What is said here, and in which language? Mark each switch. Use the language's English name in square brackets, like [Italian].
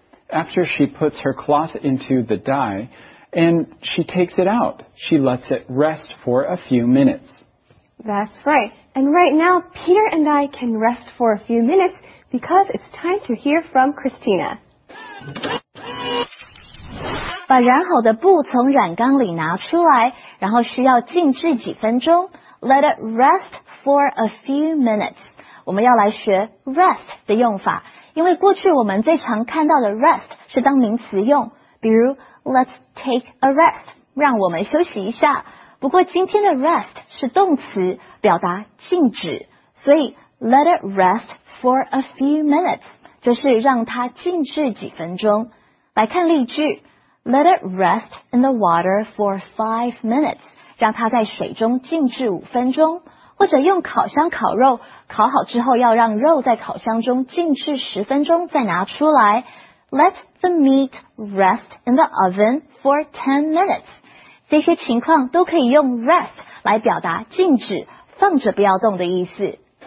[English] After she puts her cloth into the dye and she takes it out, she lets it rest for a few minutes. That's right. And right now, Peter and I can rest for a few minutes because it's time to hear from Christina. [Chinese] 把染好的布从染缸里拿出来，然后需要静置几分钟。 [English] Let it rest for a few minutes. [Chinese] 我们要来学 rest 的用法，因为过去我们最常看到的 rest 是当名词用，比如 [English] let's take a rest， [Chinese] 让我们休息一下。不过今天的 rest 是动词，表达静止，所以 [English] let it rest for a few minutes [Chinese] 就是让它静置几分钟。来看例句 [English] ，Let it rest in the water for 5 minutes。 [Chinese] 让它在水中静置五分钟，或者用烤箱烤肉，烤好之后要让肉在烤箱中静置十分钟再拿出来。 [English] Let the meat rest in the oven for 10 minutes. [Chinese] 这些情况都可以用 rest 来表达静止，放着不要动的意思。